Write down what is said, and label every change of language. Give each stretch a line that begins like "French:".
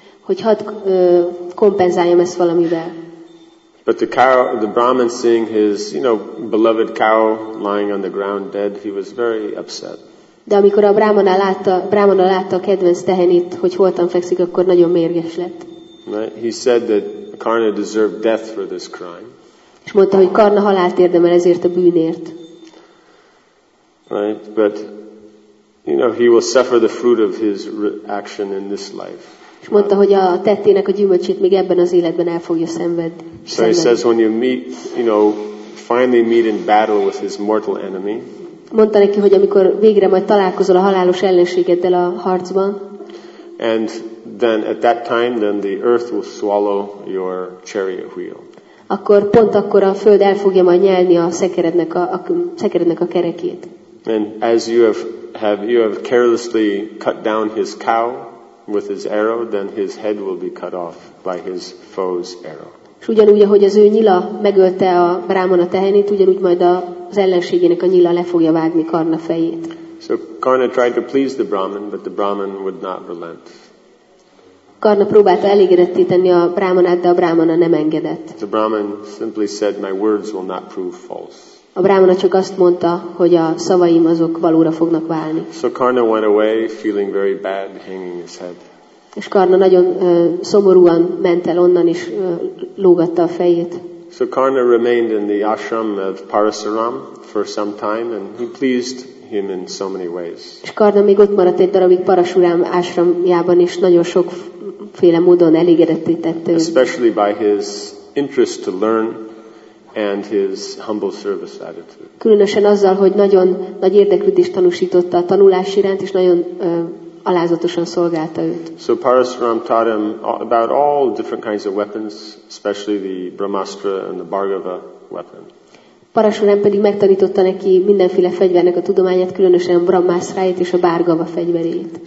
Hungarian: Hogy hadd kompenzáljam ezt valamivel.
English: But the cow, the Brahmin, seeing his, you know, beloved cow lying on the ground dead, he was very upset.
Hungarian: De amikor a Brahmana látta a kedvenc tehenét, hogy holtan fekszik, akkor nagyon mérges lett.
English: Right? He said that Karna deserved death for this crime.
Hungarian: És mondta, hogy Karna halált érdemel ezért a bűnért.
English: Right, but you know, he will suffer the fruit of his action in this life.
Hungarian: És mondta, hogy a tettének a gyümölcsét még ebben az életben el fogja szenvedni.
English: So he says when you meet, you know, finally meet in battle with his mortal enemy.
Hungarian: Mondta neki, hogy amikor végre majd találkozol a halálos ellenségeddel a harcban.
English: And then at that time then the earth will swallow your chariot wheel.
Hungarian: Akkor pont akkor a föld el fogja majd nyelni a szekerednek a kerekét.
English: And as you have carelessly cut down his cow with his arrow, then his head will be cut off by his foe's arrow.
Hungarian: És ugyanúgy, ahogy az ő nyila megölte a brámana tehenét, ugyanúgy majd az ellenségének a nyila le fogja vágni Karna fejét.
English: So Karna tried to please the Brahman, but the Brahman would not relent.
Hungarian: Karna próbálta elégedetté tenni a brámanát, de a brámana nem engedett.
English: The Brahman simply said, my words will not prove false.
Hungarian: A brámana csak azt mondta, hogy a szavaim azok valóra fognak válni.
English: So Karna went away feeling very bad, hanging his head.
Hungarian: És Karna nagyon szomorúan ment el onnan is, lógatta a fejét.
English: So Karna remained in the ashram of Parasuram for some time and he pleased him in so many ways.
Hungarian: És Karna még ott maradt egy darabig Parasuram ashramjában is, nagyon sokféle módon elégedetté tett.
English: Especially by his interest to learn and his humble service attitude.
Hungarian: Különösen azzal, hogy nagyon nagy érdeklődést tanúsította a tanulás iránt, és nagyon alázatosan szolgálta őt.
English: So Parasuram taught him about all different kinds of weapons, especially the Brahmastra and the Bhargava weapon.
Hungarian: Parasuram pedig megtanította neki mindenféle fegyvernek a tudományát, különösen a Brahmastráit és a Bhargava fegyverét.